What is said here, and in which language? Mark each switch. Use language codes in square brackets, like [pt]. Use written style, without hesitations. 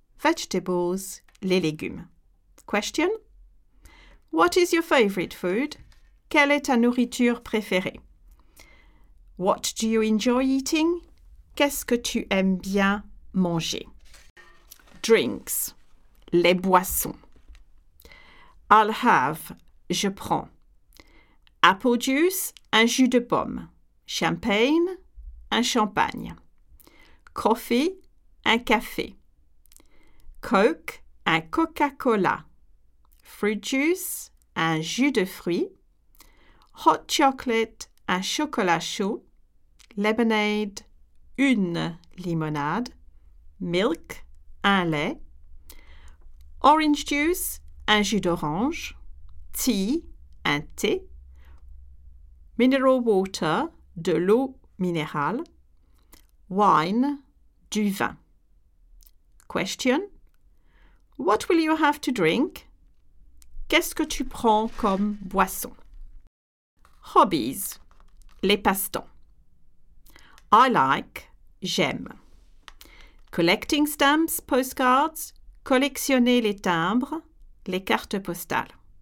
[en] Vegetables, les légumes. Question? What is your favorite food? [fr] Quelle est ta nourriture préférée? [en] What do you enjoy eating? [fr] Qu'est-ce que tu aimes bien manger? [en] Drinks, les boissons. I'll have, [fr] je prends. Apple juice, un jus de pomme. Champagne, un champagne. Coffee, un café. Coke, un Coca-Cola. Fruit juice, un jus de fruits. Hot chocolate, un chocolat chaud. Lemonade, une limonade. Milk, un lait. Orange juice, un jus d'orange. Tea, un thé. Mineral water, de l'eau minérale. Wine, du vin. [en] Question: What will you have to drink? [fr] Qu'est-ce que tu prends comme boisson? Hobbies, les passe-temps. [en] I like, [fr] j'aime. [en] Collecting stamps, postcards, [fr] collectionner les timbres, les cartes postales.